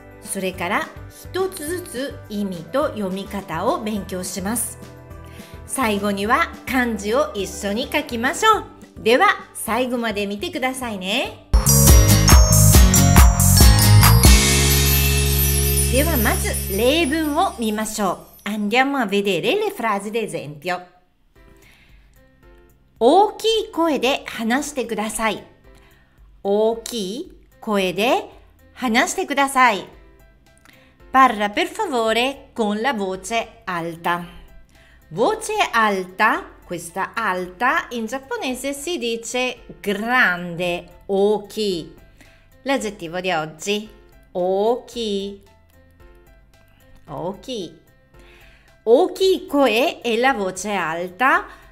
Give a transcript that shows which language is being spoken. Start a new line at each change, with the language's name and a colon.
Japanese: それから一つずつ意味と読み方を勉強します。最後には漢字を一緒に書きましょう。では最後まで見てくださいね。ではまず例文を見ましょう。
Italian: Andiamo a vedere le frasi d'esempio。
Japanese: 大きい声で話してください。大きい声で話してください。
Italian: Parla per favore con la voce alta。 Voce alta, questa alta in giapponese si dice grande, 大きい。 L'aggettivo di oggi, 大きい。
Japanese: 大きい声
Italian: e la voce alta.